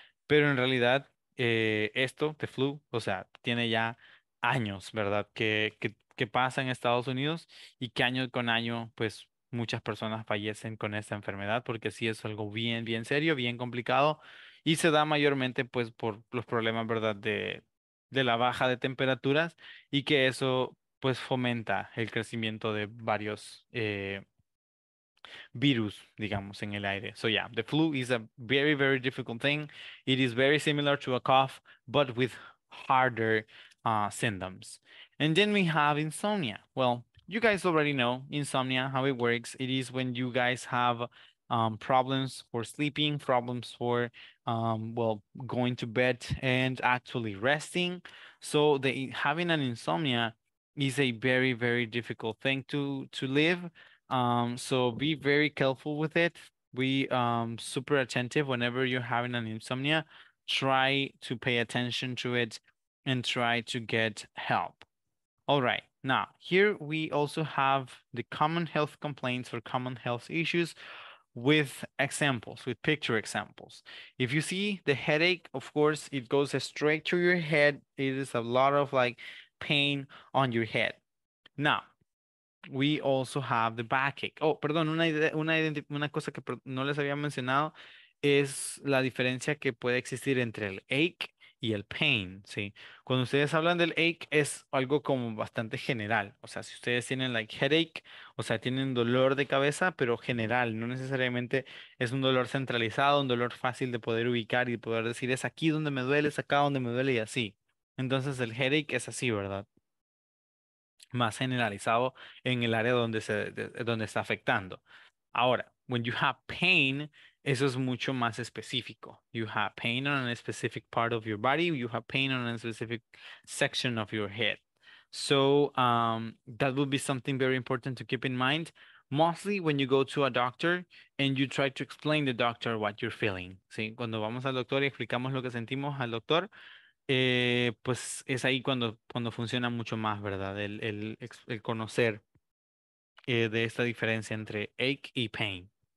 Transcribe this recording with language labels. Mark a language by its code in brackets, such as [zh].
[es] Pero en realidad, esto, de flu, o sea, tiene ya años, ¿verdad?, que pasa en Estados Unidos y que año con año, pues, muchas personas fallecen con esta enfermedad porque sí es algo bien, bien serio, bien complicado y se da mayormente, pues, por los problemas, ¿verdad?, de la baja de temperaturas y que eso, pues, fomenta el crecimiento de varios virus, digamos, en el aire. [en] So yeah, the flu is a very, very difficult thing. It is very similar to a cough, but with harder symptoms. And then we have insomnia. Well, you guys already know insomnia, how it works. It is when you guys have problems for sleeping, problems for, going to bed and actually resting. So having an insomnia is a very, very difficult thing to live. So be very careful with it. Be super attentive whenever you're having an insomnia. Try to pay attention to it and try to get help. All right. Now, here we also have the common health complaints or common health issues with examples, with picture examples. If you see the headache, of course, it goes straight to your head. It is a lot of like pain on your head. Now, we also have the backache. [es] Oh, perdón, una cosa que no les había mencionado es la diferencia que puede existir entre el ache y el pain, ¿sí? Cuando ustedes hablan del ache, es algo como bastante general. O sea, si ustedes tienen like headache, o sea, tienen dolor de cabeza, pero general, no necesariamente es un dolor centralizado, un dolor fácil de poder ubicar y poder decir, es aquí donde me duele, es acá donde me duele y así. Entonces, el headache es así, ¿verdad? Más generalizado en el área donde está afectando. Ahora, [en] when you have pain, [es] eso es mucho más específico. [en] You have pain on a specific part of your body. You have pain on a specific section of your head. So that will be something very important to keep in mind. Mostly when you go to a doctor and you try to explain to the doctor what you're feeling. [es] ¿Sí? Cuando vamos al doctor y explicamos lo que sentimos al doctor, pues es ahí cuando funciona mucho más, ¿verdad? El conocer de esta diferencia entre ache y pain.